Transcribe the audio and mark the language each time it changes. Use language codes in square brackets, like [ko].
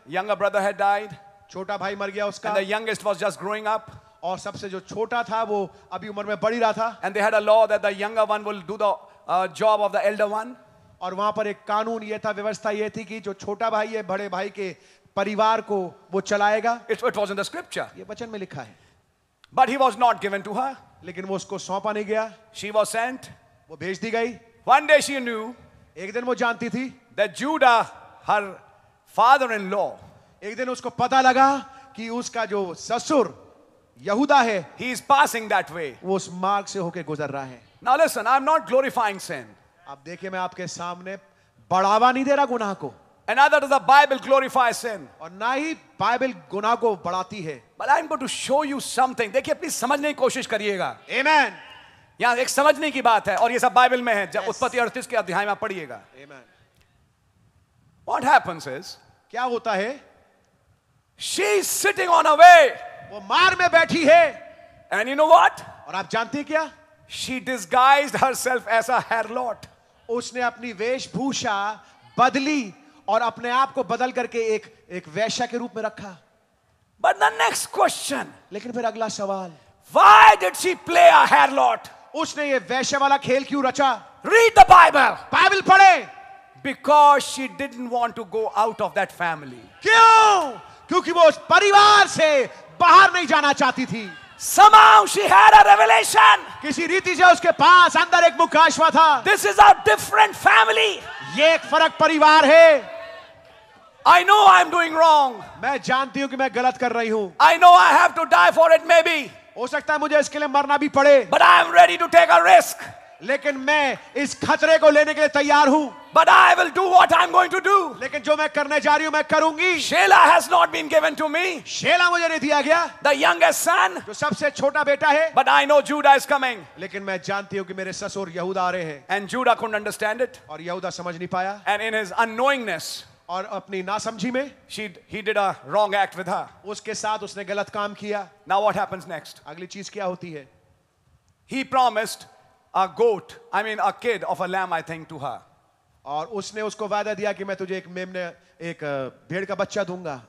[en] Younger brother had died. [hi] छोटा भाई मर गया उसका. [en] And the youngest was just growing up. [hi] और सबसे जो छोटा था वो अभी उम्र में बढ़ी रहा था. [en] And they had a law that the younger one will do the job of the elder one. [hi] और वहाँ पर एक कानून ये था व्यवस्था ये थी कि जो छोटा भाई है बड़े भाई के परिवार को वो चलाएगा. [en] It was in the scripture. [hi] ये वचन में लिखा है. [en] But he was not given to her. [hi] लेकिन वो उसको सौंपा नहीं गया. [en] She was sent. [hi] वो भेज दी गई. [en] One day she knew. [hi] एक दिन वो जानती थी. [en] That Judah, her father-in-law. [hi] एक दिन उसको पता लगा कि उसका जो ससुर यहूदा है. [en] He is passing that way. [hi] वो उस मार्ग से होके गुजर रहा है. [en] Now listen, I am not glorifying sin. [hi] अब देखिए मैं आपके सामने बढ़ावा नहीं दे रहा गुनाह को. [en] And neither does the Bible glorify sin. [hi] और ना ही बाइबल गुनाह को बढ़ाती है. [en] But I'm going to show you something. [hi] देखिए अपनी समझने की कोशिश करिएगा. Amen. यहाँ एक समझने की बात है और ये सब बाइबल में है. जब उत्पत्ति 38 के अध्याय में पढ़िएगा. Amen. [en] What happens is? [hi] क्या होता है? [en] She is sitting on a way. [hi] वो मार में बैठी है. [en] And you know what? [hi] और आप जानते हैं क्या? [en] She disguised herself as a harlot. [hi] उसने अपनी वेशभूषा बदली और अपने आप को बदल करके एक एक वेश्या के रूप में रखा [en] But the next question, [hi] लेकिन फिर अगला सवाल [en] Why did she play a harlot? [hi] उसने ये वेश्या वाला खेल क्यों रचा [en] Read the Bible. [hi] बाइबल पढ़े [en] Because she didn't want to go out of that family. [hi] क्यों क्योंकि वो उस परिवार से बाहर नहीं जाना चाहती थी [en] Somehow she had a revelation. [hi] किसी रीति से उसके पास अंदर एक मुकाशवा था [en] This is a different family. [hi] ये एक फरक परिवार है [en] I know I'm doing wrong. [hi] मैं जानती हूँ कि मैं गलत कर रही हूँ [en] I know I have to die for it maybe. [hi] हो सकता है मुझे इसके लिए मरना भी पड़े [en] But I am ready to take a risk. [hi] लेकिन मैं इस खतरे को लेने के लिए तैयार हूँ [en] But I will do what I'm going to do. [hi] लेकिन जो मैं करने जा रही हूँ मैं करूंगी [en] Sheila has not been given to me. [hi] Sheila मुझे नहीं दिया गया [en] The youngest son. [hi] जो सबसे छोटा बेटा है [en] But I know Judah is coming. [hi] लेकिन मैं जानती हूँ कि मेरे ससुर यहूदा आ रहे हैं [en] And Judah couldn't understand it. [hi] और यहूदा समझ नहीं पाया [en] And in his unknowingness. [hi] और अपनी नासमझी में [en] he did a wrong act with her. [hi] उसके साथ उसने गलत काम किया [en] Now what happens next? [hi] अगली चीज क्या होती है [en] He promised a goat, I mean a kid of a lamb, I think, to her. [hi] और उसने उसको वादा दिया कि मैं तुझे एक मेमने एक भेड़ का बच्चा दूंगा